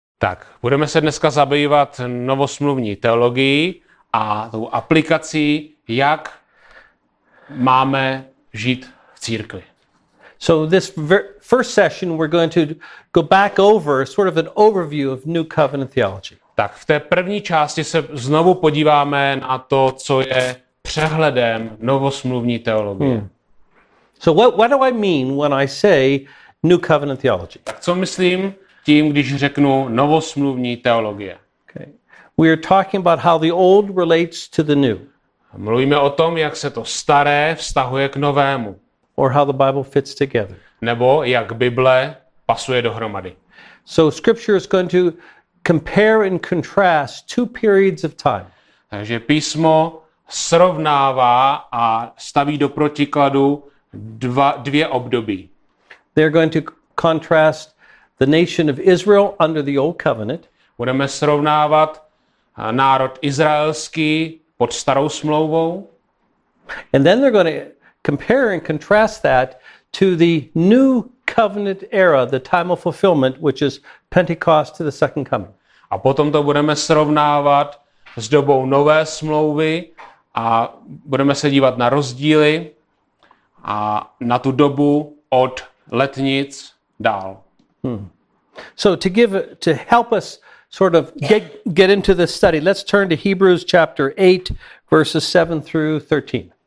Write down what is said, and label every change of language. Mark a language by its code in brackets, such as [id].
[cs] Tak, budeme se dneska zabývat novosmluvní teologií a tou aplikací, jak máme žít v církvi. [en] So this first session we're going to go back over sort of an overview of New Covenant theology. [cs] Tak v té první části se znovu podíváme na to, co je přehledem novosmluvní teologie. Hmm. [en] So what do I mean when I say New Covenant theology? [cs] Tak co myslím tím, když řeknu novosmluvní teologie? Okay. [en] We are talking about how the old relates to the new. [cs] Mluvíme o tom, jak se to staré vztahuje k novému. [en] Or how the Bible fits together. [cs] Nebo jak Bible pasuje dohromady. [en] So scripture is going to compare and contrast two periods of time. [cs] Takže písmo srovnává a staví do protikladu dvě období. [en] They're going to contrast the nation of Israel under the old covenant. [cs] Budeme srovnávat národ izraelský pod starou smlouvou. [en] And then they're going to compare and contrast that to the new covenant era, the time of fulfillment, which is Pentecost to the second coming. [cs] A potom to budeme srovnávat s dobou nové smlouvy a budeme se dívat na rozdíly a na tu dobu od letnic dál. Hmm. [en] So to help us sort of get into this study, let's turn to Hebrews chapter 8, verses 7 through 13.